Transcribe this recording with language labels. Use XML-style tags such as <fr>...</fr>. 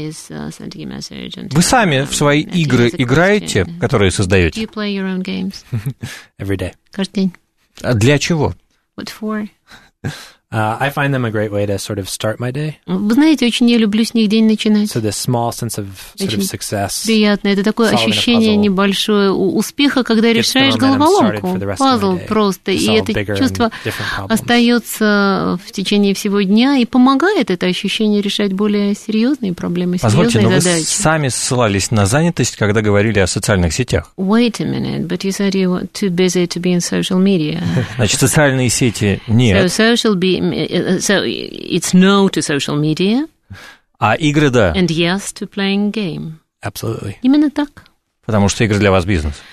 <ru>Вы сами в свои игры играете, которые создаете?</ru> <en>Every day.</en> <ru>Каждый день. А для чего?</ru> <en>What for? I find them a great way to sort of start my day.</en> <ru>Вы знаете, очень я люблю с них день начинать.</ru> <en>So this small sense of sort of success.</en> <ru>Приятно. Это такое ощущение небольшое успеха, когда решаешь головоломку. Пазл просто. И это чувство остается в течение всего дня и помогает это ощущение решать более серьезные проблемы, серьезные задачи. Позвольте, но вы сами ссылались на занятость, когда говорили о социальных сетях.</ru> <en>Wait a minute, but you said you were too busy to be in social media.</en> <ru>Значит, социальные сети нет.</ru> <en>So it's no to social media.</en> <ru>А игры да.</ru> <en>And yes to playing game. Absolutely.</en> <ru>Именно так. Потому что игры для вас бизнес.</ru>